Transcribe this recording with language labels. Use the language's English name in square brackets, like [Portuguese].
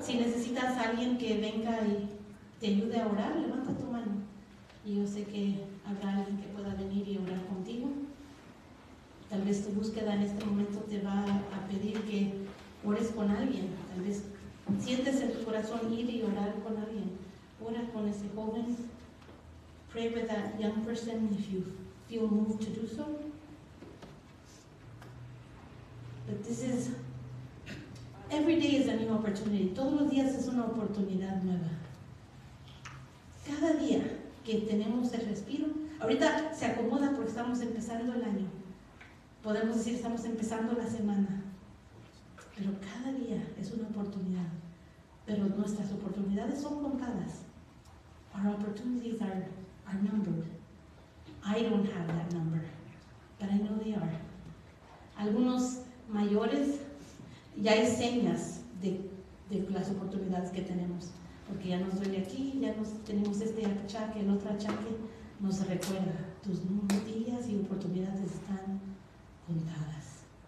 [Spanish] Si necesitas a alguien que venga y te ayude a orar, levanta tu mano. Y yo sé que habrá alguien que pueda venir y orar contigo. Tal vez tu búsqueda en este momento te va a pedir que ores con alguien. Tal vez sientes en tu corazón ir y orar con alguien. Ora con ese joven. [English] Pray with that young person if you feel moved to do so. But this is, every day is a new opportunity. [Spanish] Todos los días es una oportunidad nueva. Cada día que tenemos el respiro, ahorita se acomoda porque estamos empezando el año. Podemos decir estamos empezando la semana. Pero cada día es una oportunidad. Pero nuestras oportunidades son contadas. [English] Our opportunities are numbered. I don't have that number, but I know they are. [Spanish] Algunos mayores ya hay señas de las oportunidades que tenemos. Porque ya nos duele aquí, ya nos tenemos este achaque, el otro achaque nos recuerda. Tus días y oportunidades están contadas.